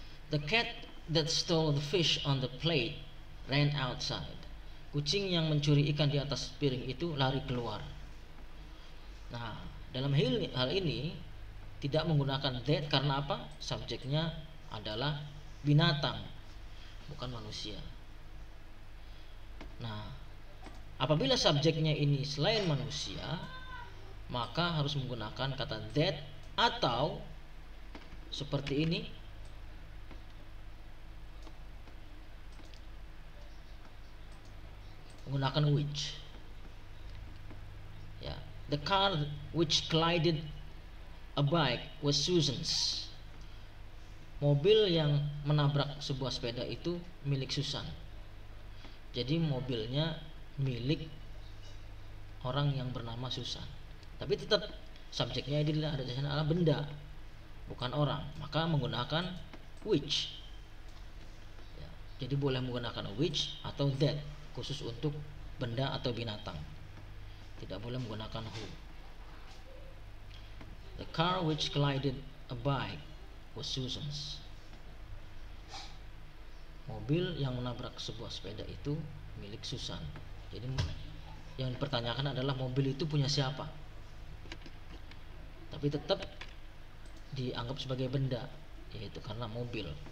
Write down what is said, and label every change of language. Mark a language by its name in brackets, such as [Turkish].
[English] The cat that stole the fish on the plate ran outside. [Indonesian] Kucing yang mencuri ikan di atas piring itu lari keluar. Nah, dalam hal ini tidak menggunakan that karena apa? Subjeknya adalah binatang, bukan manusia. Nah, apabila subjeknya ini selain manusia, maka harus menggunakan kata that atau seperti ini. menggunakan which. [English] Ya, the car which collided a bike was Susan's. [Indonesian] Mobil yang menabrak sebuah sepeda itu milik Susan. Jadi mobilnya milik orang yang bernama Susan. Tapi tetap subjeknya adalah benda, bukan orang. Maka menggunakan which. Jadi boleh menggunakan which atau that khusus untuk benda atau binatang. Tidak boleh menggunakan who. [English] The car which collided a bike was Susan's. [Indonesian] Mobil yang menabrak sebuah sepeda itu milik Susan. Jadi yang dipertanyakan adalah mobil itu punya siapa? Tapi tetap dianggap sebagai benda, yaitu karena mobil.